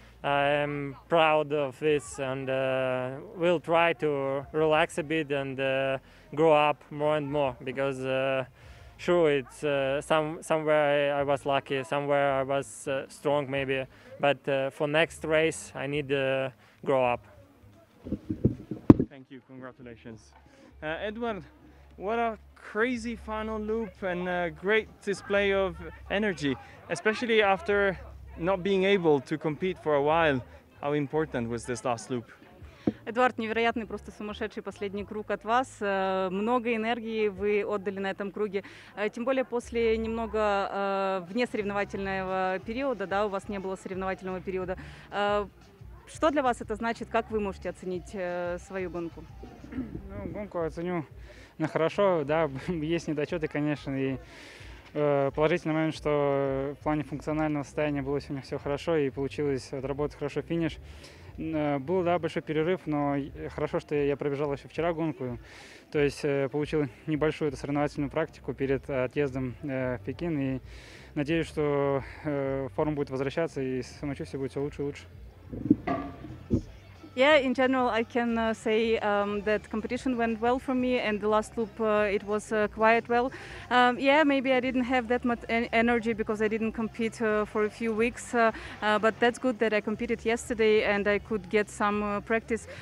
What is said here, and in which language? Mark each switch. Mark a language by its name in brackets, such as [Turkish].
[English] I'm proud of this, and we'll try to relax a bit and grow up more and more, because sure, it's somewhere I was lucky, somewhere I was strong maybe, but for next race I need to grow up. Thank you, congratulations. Eduard, what a crazy final loop and a great display of energy, especially after not being able to compete for a while. How important was this last loop? [Russian] Эдуард, невероятный, просто сумасшедший последний круг от вас. Много энергии вы отдали на этом круге. Тем более после немного внесоревновательного периода, да, у вас не было соревновательного периода. Что для вас это значит? Как вы можете оценить свою гонку? Ну, гонку оценю на хорошо, да, есть недочеты, конечно, и положительный момент, что в плане функционального состояния было сегодня все хорошо и получилось отработать хорошо финиш. Был, да, большой перерыв, но хорошо, что я пробежал еще вчера гонку. То есть получил небольшую эту соревновательную практику перед отъездом в Пекин. И надеюсь, что форма будет возвращаться и самочувствие будет все лучше и лучше. [English] Yeah, in general, I can say that competition went well for me, and the last loop it was quite well. Yeah, maybe I didn't have that much energy because I didn't compete for a few weeks, but that's good that I competed yesterday and I could get some practice.